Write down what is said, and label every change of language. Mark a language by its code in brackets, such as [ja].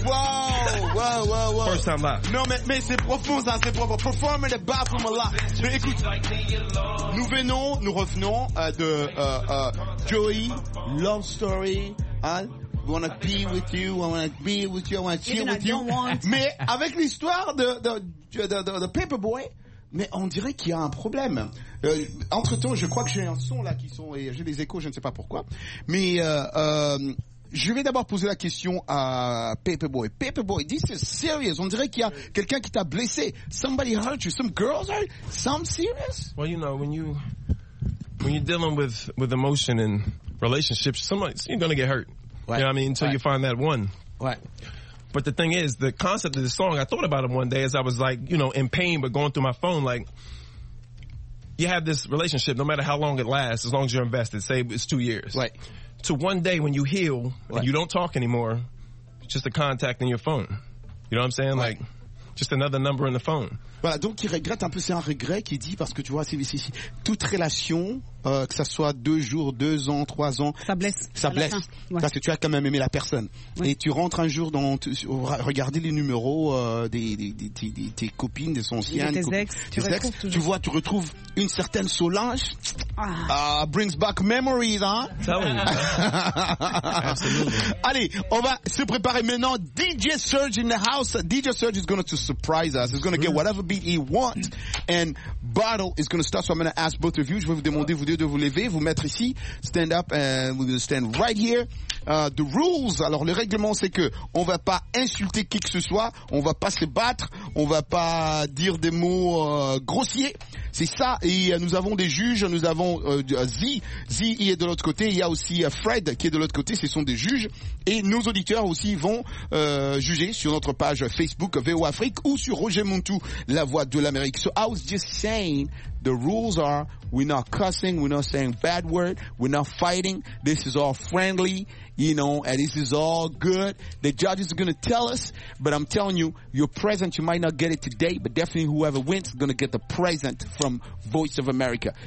[en] Whoa. First time live. [fr] Non, mais c'est profond, ça, c'est profond. [en] Perform in the bathroom a lot. [fr] Mais écoute, nous revenons de Joey, Love Story. [en] I wanna be with you, I wanna be with you, I wanna chill with you. [fr] Mais avec l'histoire de Paperboy, mais on dirait qu'il y a un problème. Entre-temps, je crois que j'ai un son là qui sont... Et j'ai des échos, je ne sais pas pourquoi. Mais je vais d'abord poser la question à Paperboy. Paperboy, [en] this is serious. [fr] On dirait qu'il y a quelqu'un qui t'a blessé. [en] Somebody hurt you. Some girls are... Some serious? Well, you know, when you're dealing with emotion and relationships, somebody's, you're going to get hurt. Right. You know what I mean? Until right. you find that one. Right. But the thing is, the concept of the song, I thought about it one day as I was like, you know, in pain, but going through my phone, like, you have this relationship, no matter how long it lasts, as long as you're invested, say it's 2 years. Right. To one day when you heal, right, and you don't talk anymore, it's just a contact in your phone. You know what I'm saying? Right. Like, just another number in the phone. [fr] Voilà, donc il regrette un peu, c'est un regret qu'il dit, parce que tu vois, c'est toute relation, que ça soit 2 jours, 2 ans, 3 ans, ça blesse. Ça blesse. Ouais. Parce que tu as quand même aimé la personne. Ouais. Et tu rentres un jour dans, regarder les numéros des copines, des anciennes, tes ex, tu vois, tu retrouves une certaine Solange. [en] Brings back memories, [fr] hein. Absolument. Allez, on va se préparer maintenant. DJ Serge [en] in the house. DJ Serge is going to surprise us. He's going to get whatever beat he wants. And Bottle is going to start. So I'm going to ask both of you. [fr] Je vais vous demander, vous deux, de vous lever, vous mettre ici. [en] Stand up and we're going to stand right here. The rules. [fr] Alors, le règlement, c'est que on va pas insulter qui que ce soit. On va pas se battre. On va pas dire des mots grossiers. C'est ça. Et nous avons des juges. Nous avons Z il est de l'autre côté. Il y a aussi Fred qui est de l'autre côté. Ce sont des juges. Et nos auditeurs aussi vont juger sur notre page Facebook VO Afrique ou sur Roger Montou, la voix de l'Amérique. [en] So I was just saying, the rules are, we're not cussing, we're not saying bad word, we're not fighting. This is all friendly, you know, and this is all good. The judges are going to tell us, but I'm telling you, your present, you might not get it today, but definitely whoever wins is going to get the present from Voice of America.